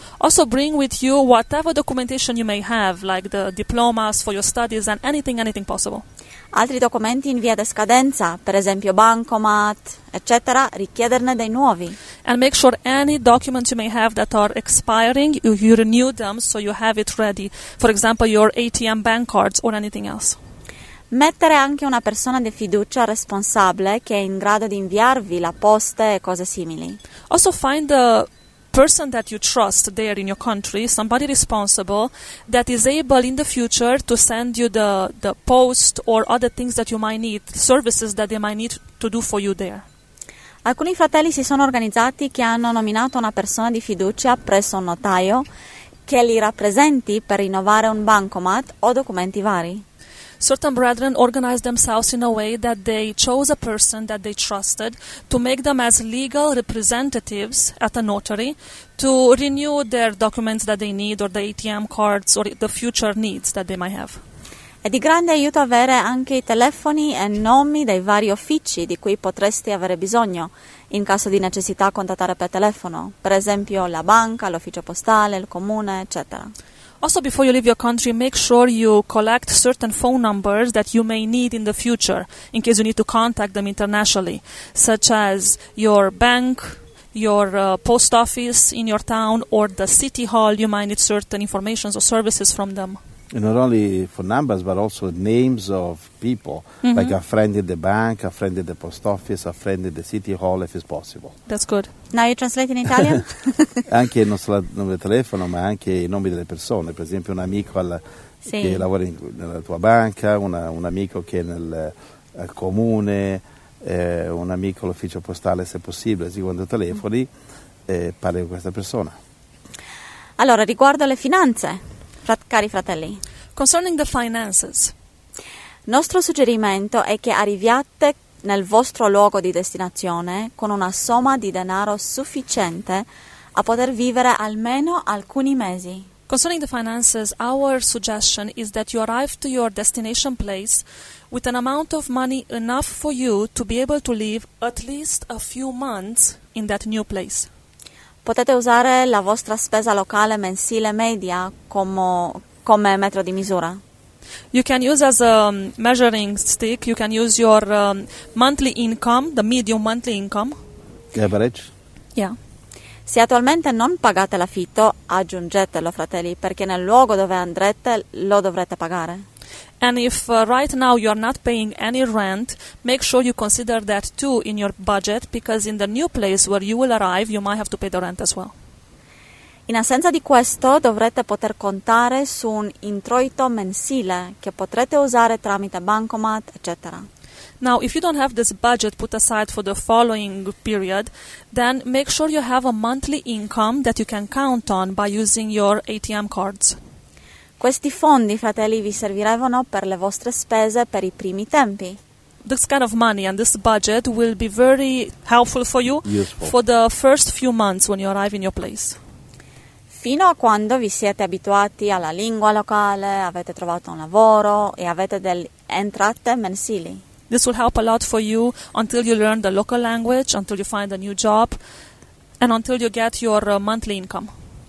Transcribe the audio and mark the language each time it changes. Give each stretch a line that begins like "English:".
English: Also bring with you whatever documentation you may have, like the diplomas for your studies and anything possible.
Italian: Altri documenti in via di scadenza, per esempio bancomat, eccetera, richiederne dei nuovi.
English: And make sure any documents you may have that are expiring, you renew them so you have it ready. For example, your ATM bank cards or anything else.
Italian: Mettere anche una persona di fiducia responsabile che è in grado di inviarvi la posta e cose simili.
English: Also find the person that you trust there in your country, somebody responsible, that is able in the future to send you the post or other things that you might need, services that they might need to do for you there.
Italian: Alcuni fratelli si sono organizzati che hanno nominato una persona di fiducia presso un notaio che li rappresenti per rinnovare un bancomat o documenti vari.
English: Certain brethren organized themselves in a way that they chose a person that they trusted to make them as legal representatives at a notary to renew their documents that they need or the ATM cards or the future needs that they might have.
Italian: È di grande aiuto avere anche i telefoni e nomi dei vari uffici di cui potresti avere bisogno in caso di necessità contattare per telefono, per esempio la banca, l'ufficio postale, il comune, eccetera.
English: Also, before you leave your country, make sure you collect certain phone numbers that you may need in the future, in case you need to contact them internationally, such as your bank, your post office in your town, or the city hall. You might need certain informations or services from them. And not only phone numbers, but also names of people, mm-hmm. like a friend in the bank, a friend in the post office, a friend in the city hall, if it's possible. That's good. Now you translate in Italian?
Italian: Anche non solo il numero di telefono, ma anche i nomi delle persone. Per esempio, un amico che lavora nella tua banca, un amico che è nel comune, un amico all'ufficio postale, se possibile. Si quando telefoni, parli con questa persona. Allora, riguardo alle finanze. Cari fratelli,
English: concerning the finances,
Italian: nostro suggerimento è che arriviate nel vostro luogo di destinazione con una somma di denaro sufficiente a poter vivere almeno alcuni mesi.
English: Concerning the finances, our suggestion is that you arrive to your destination place with an amount of money enough for you to be able to live at least a few months in that new place.
Italian: Potete usare la vostra spesa locale mensile media come metro di misura.
English: You can use as a measuring stick, you can use your monthly income, the medium monthly income. The average? Yeah.
Italian: Se attualmente non pagate l'affitto, aggiungetelo, fratelli, perché nel luogo dove andrete lo dovrete pagare.
English: And if right now you are not paying any rent, make sure you consider that too in your budget, because in the new place where you will arrive, you might have to pay the rent as well.
Italian: In assenza di questo, dovrete poter contare su un introito mensile che potrete usare tramite bancomat, eccetera.
English: Now, if you don't have this budget put aside for the following period, then make sure you have a monthly income that you can count on by using your ATM cards.
Italian: Questi fondi, fratelli, vi servirevano per le vostre spese per i primi tempi.
English: This kind of money and this budget will be very helpful for you useful for the first few months when you arrive in your place.
Italian: Fino a quando vi siete abituati alla lingua locale, avete trovato un lavoro e avete delle entrate mensili.
English: This will help a lot for you until you learn the local language, until you find a new job and until you get your monthly income.